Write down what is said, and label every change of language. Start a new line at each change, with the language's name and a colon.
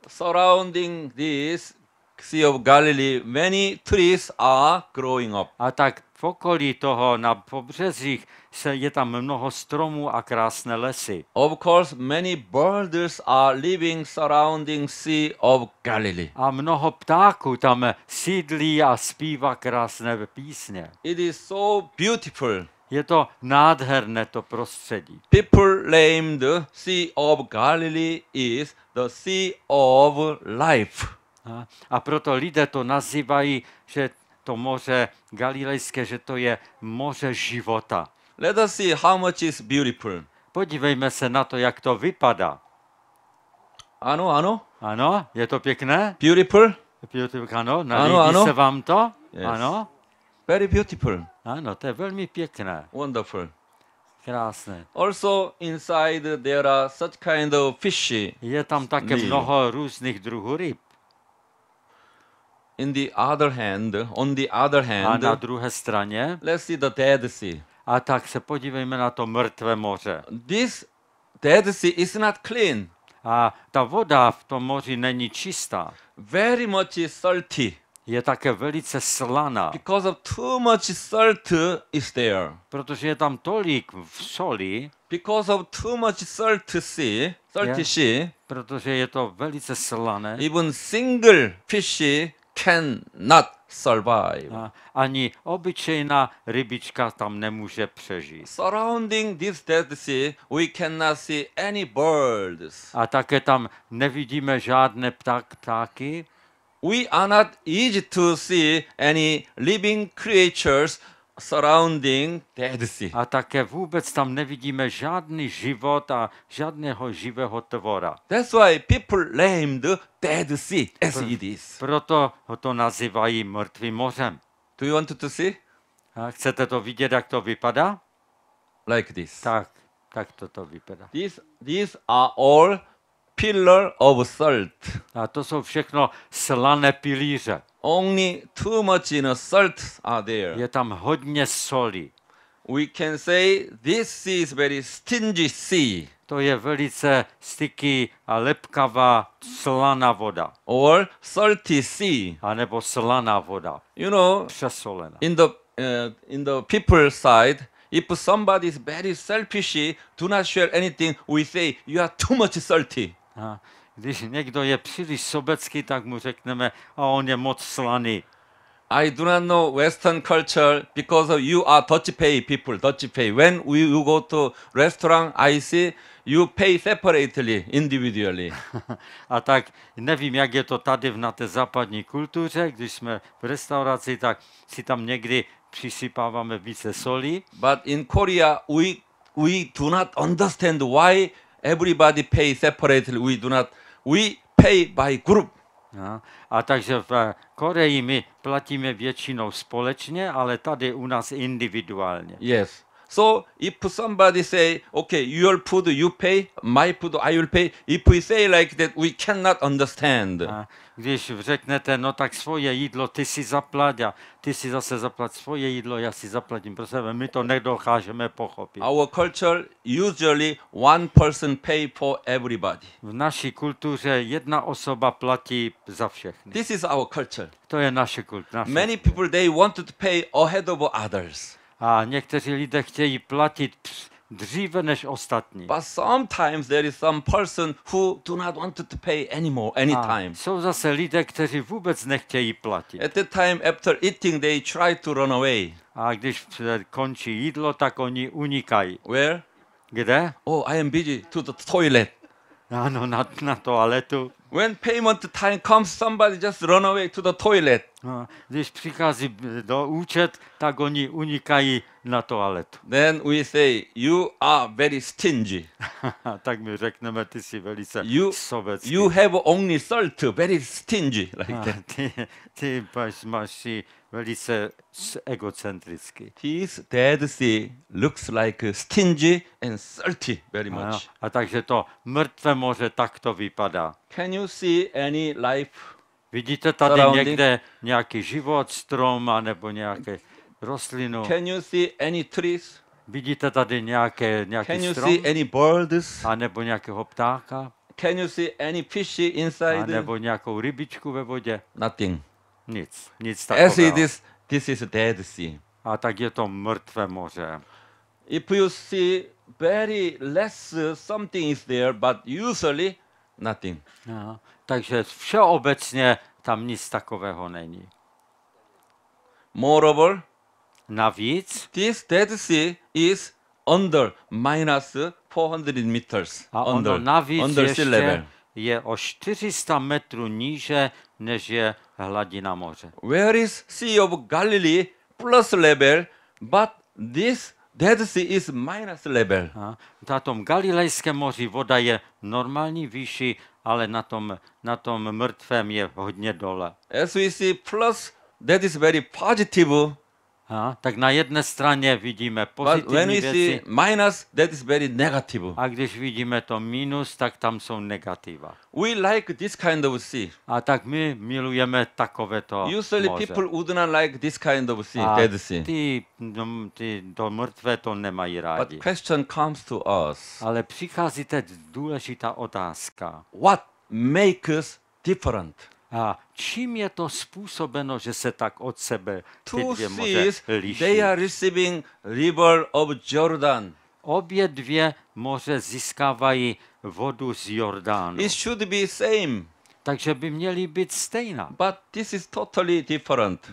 English: Surrounding this Sea of Galilee, many trees are growing up.
Czech: A tak v okolí toho na pobřežích se je tam mnoho stromů a krásné lesy.
English: Of course, many birds are living surrounding Sea of Galilee.
Czech: A mnoho ptáků tam sídlí a zpívá krásné písně.
English: It is so beautiful.
Czech: Je to nádherné to prostředí.
English: People named Sea of Galilee is the Sea of Life.
Czech: A proto lidé to nazývají, že to moře galilejské, že to je moře života.
English: Let us see how much is beautiful.
Czech: Podívejme se na to, jak to vypadá. Ano, ano. Ano, je to pěkné?
English: Beautiful. Beautiful,
Czech: ano, nalíbí se vám to?
English: Yes.
Czech: Ano.
English: Very beautiful.
Czech: Ano, to je velmi pěkné.
English: Wonderful.
Czech: Krásné.
English: Also inside there are such kind of fish.
Czech: Je tam také mnoho různých druhů ryb.
English: In the other hand, on the other hand,
Czech: a na druhé straně,
English: let's see the Dead Sea.
Czech: A tak se podívejme na to mrtvé moře.
English: This Dead Sea is not clean.
Czech: A ta voda v tom moři není čistá.
English: Very much salty.
Czech: Je také velice slaná.
English: Because of too much salt is there.
Czech: Protože je tam tolik soli.
English: Because of too much salt sea, salty je, sea.
Czech: Protože je to velice slané.
English: Even single fish cannot survive.
Czech: A ani obyčejná rybička tam nemůže přežít.
English: Surrounding this Dead Sea, we cannot see any birds.
Czech: A také tam nevidíme žádné ptáky.
English: We are not easy to see any living creatures surrounding Dead Sea.
Czech: A také vůbec tam nevidíme žádný život a žádného živého tvora.
English: That's why people named Dead Sea as it is.
Czech: Proto ho to nazývají mrtvým mořem.
English: Do you want to see?
Czech: A chcete to vidět, jak to vypadá?
English: Like this.
Czech: Tak, tak to vypadá.
English: These are all pillar of salt.
Czech: A to jsou všechno slané pilíře.
English: Only too much in salt are there.
Czech: Je tam hodně soli.
English: We can say this sea is very stingy sea.
Czech: To je velice sticky a lepkavá slaná voda.
English: Or salty sea.
Czech: A nebo slaná voda.
English: You know,
Czech: přesolená.
English: In the people side, if somebody is very selfish, do not share anything, we say you are too much salty.
Czech: A když někdo je příliš sobecký, tak mu řekneme, a on je moc slaný.
English: I do not know Western culture because of you are Dutch pay people, Dutch pay. When you go to restaurant, I see you pay separately, individually.
Czech: A tak nevím, jak je to tady na té západní kultuře, když jsme v restauraci, tak si tam někdy přisypáváme více soli.
English: But in Korea, we do not understand why everybody pay separately. We pay by group.
Czech: A takže v Koreji my platíme většinou společně, ale tady u nás individuálně.
English: Yes. So if somebody say, okay, your food you pay, my food I will pay. If we say like that, we cannot understand.
Czech: A když řeknete, no tak svoje jídlo ty si zaplať a ty si zase zaplať svoje jídlo, já si zaplatím pro sebe, my to nedokážeme pochopit.
English: Our culture usually one person pay for everybody.
Czech: V naší kultuře jedna osoba platí za všechny.
English: This is our culture.
Czech: To je naše kultura.
English: Many people they wanted to pay ahead of others.
Czech: A někteří lidé chtějí platit dříve než ostatní.
English: But sometimes there is some person who do not want to pay anymore, anytime.
Czech: A jsou zase lidé, kteří vůbec nechtějí platit.
English: At the time after eating, they try to run away.
Czech: A když končí jídlo, tak oni unikají.
English: Where?
Czech: Kde?
English: Oh, I am busy to the toilet.
Czech: Ano, na toaletu.
English: When payment time comes, somebody just run away to the toilet.
Czech: No, když přichází do účet, tak oni unikají na toaletu.
English: Then we say, you are very stingy.
Czech: Tak my řekneme, ty jsi velice sobecký.
English: You have only salt, very stingy, like that.
Czech: Ty máš velice egocentrický.
English: This Dead Sea looks like stingy and salty very much.
Czech: Ano, a takže to mrtvé moře takto vypadá.
English: Can you see any life?
Czech: Vidíte tady někde nějaký život, strom a nebo nějaké rostlinu?
English: Can you see any trees?
Czech: Vidíte tady nějaký
English: can you
Czech: strom?
English: See any birds?
Czech: A nebo nějakého ptáka?
English: Can you see any fish inside?
Czech: A nebo nějakou rybičku ve vodě?
English: Nothing.
Czech: Nic takového.
English: As it is, this is a Dead Sea.
Czech: A tak je to mrtvé moře.
English: If you see very less something is there, but usually nothing.
Czech: No, takže všeobecně tam nic takového není.
English: Moreover,
Czech: navíc,
English: this Dead Sea is under minus 400 meters.
Czech: A ono
English: under,
Czech: navíc
English: under
Czech: ještě level. Je o 400 metrů níže, než je hladina moře.
English: Where is Sea of Galilee plus level, but this Dead Sea is minus level.
Czech: Na tom Galilejském moři voda je normální výši, ale na tom mrtvém je hodně dole.
English: As we see plus, that is very positive.
Czech: Tak na jedné straně vidíme pozitivní
English: when we
Czech: věci.
English: See minus, that is very negative.
Czech: A když vidíme to minus, tak tam jsou negativa.
English: We like this kind of sea.
Czech: A tak my milujeme takovéto moře.
English: Usually people would not like this kind of sea, Dead Sea.
Czech: Ty to mrtvé to nemají rádi.
English: But question comes to us.
Czech: Ale přichází teď důležitá otázka.
English: What makes different?
Czech: A čím je to způsobeno, že se tak od sebe ty dvě moře liší?
English: They are receiving river of Jordan.
Czech: Obě dvě moře získávají vodu z Jordánu.
English: It should be same.
Czech: Takže by měly být stejná.
English: But this is totally different.